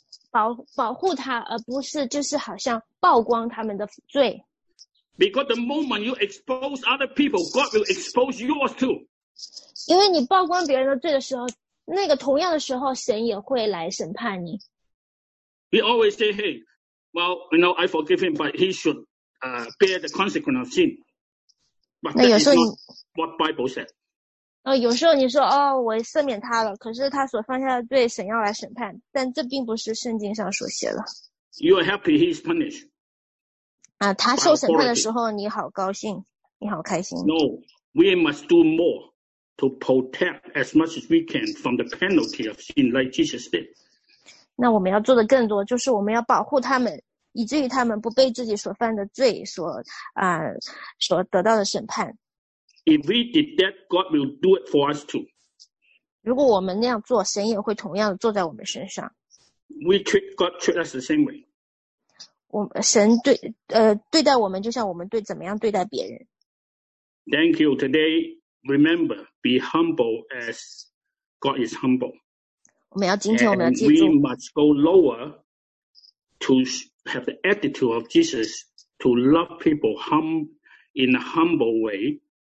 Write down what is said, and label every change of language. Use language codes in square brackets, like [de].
[zh] 保护他，而不是就是好像曝光他们的罪。 [en] Because the moment you expose other people, God will expose yours too。 [zh] 因为你曝光别人的罪的时候，那个同样的时候，神也会来审判你。 [en] We always say, "Hey, well, you know, I forgive him, but he should bear the consequence of sin." But that is not what Bible said. [zh] 有时候你说哦，我赦免他了，可是他所犯下的罪，神要来审判，但这并不是圣经上所写的。 [en] You are happy he is punished. [zh] 他受审判的时候，你好高兴，你好开心。 [en] No, we must do more to protect as much as we can from the penalty of sin, like Jesus did. [zh] 那我们要做的更多，就是我们要保护他们，以至于他们不被自己所犯的罪所得到的审判。 [en] If we did that, God will do it for us too. [zh] 如果我们那样做，神也会同样坐在我们身上。 [en] We treat God treat us the same way. [zh] 神对待我们就像我们怎么样对待别人。 [en] Thank you. Today, remember, be humble as God is humble. [zh] 我们要今天我们要记住。 [en] And we must go lower to have the attitude of Jesus to love people in a humble way.